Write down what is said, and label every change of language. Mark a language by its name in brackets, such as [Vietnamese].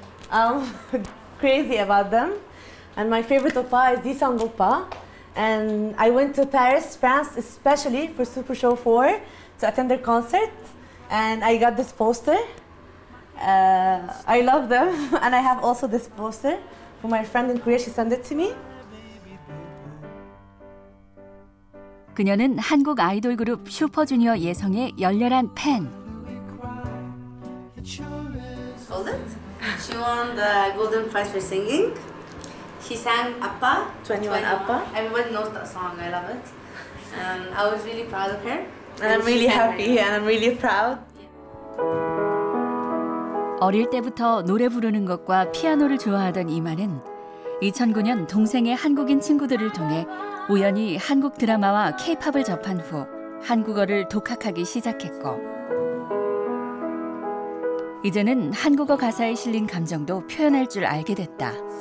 [English] I'm crazy about them. And my favorite oppa is Dissang Oppa. And I went to Paris, France, especially for Super Show 4 to attend their concert. And I got this poster. I love them. And I have also this poster from my friend in Korea. She sent it to me. [Korean] 그녀는 한국 아이돌 그룹 슈퍼주니어 예성의 열렬한 팬. [English] Golden? She won the Golden Prize for singing. She sang Appa. 21 Appa. Everybody knows that song. I love it. And I was really proud of her. And I'm really happy and I'm really proud. [Korean] 어릴 때부터 노래 부르는 것과 피아노를 좋아하던 이만은 2009년 동생의 한국인 친구들을 통해 우연히 한국 드라마와 K-POP을 접한 후 한국어를 독학하기 시작했고 이제는 한국어 가사에 실린 감정도 표현할 줄 알게 됐다.